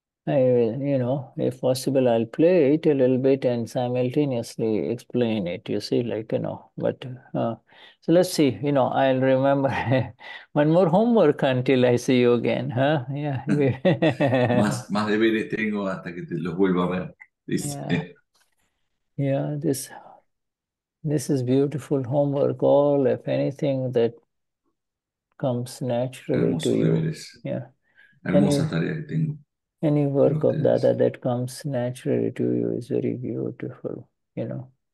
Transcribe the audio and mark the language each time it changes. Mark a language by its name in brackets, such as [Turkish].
[English] I will, you know, if possible, I'll play it a little bit and simultaneously explain it, you see, like, you know, but so let's see, you know, I'll remember one more homework until I see you again, huh? Yeah. [Spanish] Más deberes tengo hasta que te los vuelva a ver. [English] This is beautiful homework, all, if anything, that comes naturally to you. [Spanish] Hermosa tarea que tengo. [English] Any work of Dada that comes naturally to you is very beautiful, you know.